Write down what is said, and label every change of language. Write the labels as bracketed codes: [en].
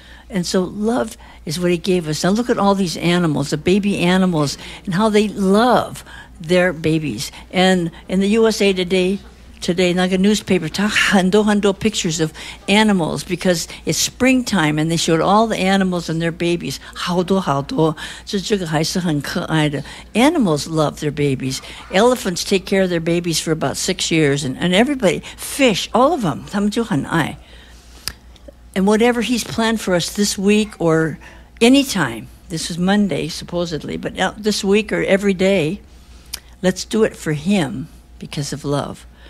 [en] And so love is what he gave us. Now look at all these animals, the baby animals, and how they love their babies. And in the USA today, like a newspaper, [zh] 很多 [en] pictures of animals because it's springtime and they showed all the animals and their babies. [zh] 好多,这个还是很可爱的. [en] Animals love their babies. Elephants take care of their babies for about 6 years. And everybody, fish, all of them, [zh] 他们就很爱. [en] And whatever he's planned for us this week or any time, this is Monday supposedly, but this week or every day, let's do it for him because of love.